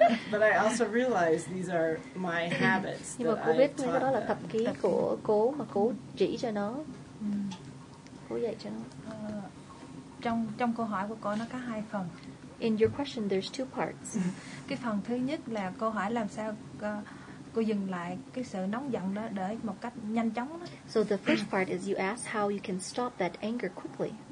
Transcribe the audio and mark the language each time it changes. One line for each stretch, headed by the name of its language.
English: But I also realize these are my habits.
Vietnamese: Nhưng mà cô biết cái đó là thập khí của cô mà cô chỉ cho nó. Cô dạy cho nó. Trong câu hỏi của cô nó có hai phần.
English: In your question there's two parts.
Vietnamese: Cái phần thứ nhất là cô hỏi làm sao cô dừng lại cái sự nóng giận đó để một cách nhanh chóng đó.
English: So the first part is you ask how you can stop that anger quickly.